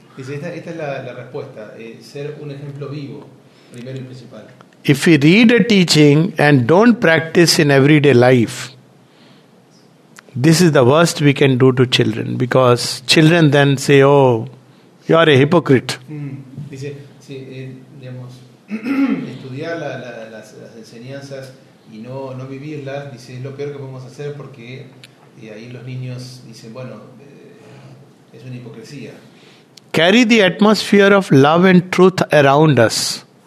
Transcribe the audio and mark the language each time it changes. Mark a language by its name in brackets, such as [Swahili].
[Spanish] Esta es la respuesta. Ser un ejemplo vivo, primero y principal. [English] If we read a teaching and don't practice in everyday life, this is the worst we can do to children, because children then say, oh, you are a hypocrite. [Spanish] Dice, si, digamos, estudiar las enseñanzas y no vivirlas, dice, es lo peor que podemos hacer, porque ahí los niños dicen, bueno, es una hipocresía. [English] Carry the atmosphere of love and truth around us.